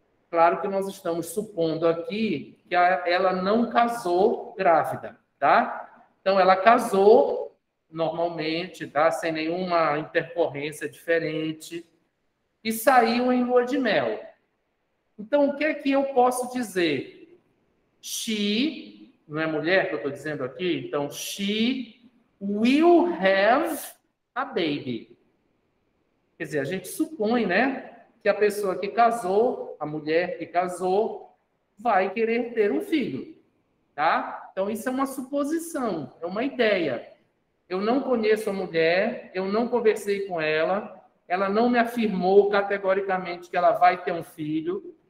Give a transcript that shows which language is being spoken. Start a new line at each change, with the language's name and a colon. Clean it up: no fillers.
Portuguese: Claro que nós estamos supondo aqui que ela não casou grávida, tá? Então, ela casou normalmente, tá? Sem nenhuma intercorrência diferente e saiu em lua de mel. Então, o que é que eu posso dizer? She, não é mulher que eu estou dizendo aqui?
English: Então, she will have a baby.
Portuguese: Quer dizer, a gente supõe, né? Que a pessoa que casou, a mulher que casou, vai querer ter um filho, tá? Então, isso é uma suposição, é uma ideia. Eu não conheço a mulher, eu não conversei com ela, ela não me afirmou categoricamente que ela vai ter um filho.